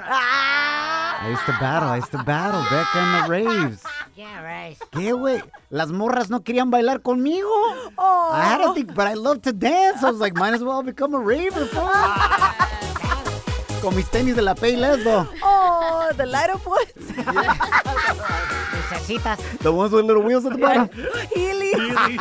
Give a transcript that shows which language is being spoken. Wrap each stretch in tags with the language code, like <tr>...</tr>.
<en>I used to battle, Becca in the raves. Yeah, right.</en> <es>¿Qué, güey? Las morras no querían bailar conmigo.</es> <en>Oh, I had to think, but I love to dance. I was like, might as well become a raver.</en> <es>Con mis tenis de la Payless,</es> <en>though. Oh, the light up ones.</en> <es>Necesitas.</es> <en>The ones with little wheels at the bottom. Heelys.</en>